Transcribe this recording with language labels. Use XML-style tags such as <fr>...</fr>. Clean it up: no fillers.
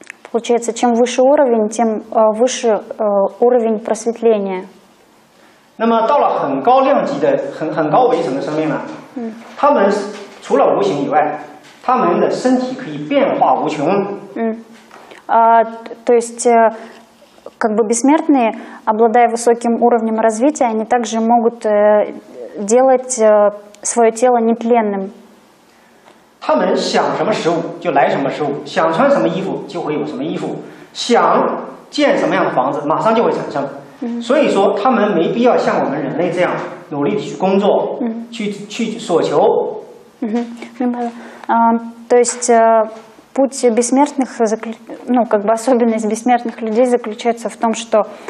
<ru>Получается, чем выше уровень, тем выше уровень просветления.</ru> <zh>那么到了很高量级的、很高维层的生命呢？他们除了无形以外，他们的身体可以变化无穷。</zh> <ru>То есть, как бы бессмертные, обладая высоким уровнем развития, они также могут делать свое тело нетленным. То есть путь бессмертных, ну как бы особенность бессмертных людей заключается в том, что</ru>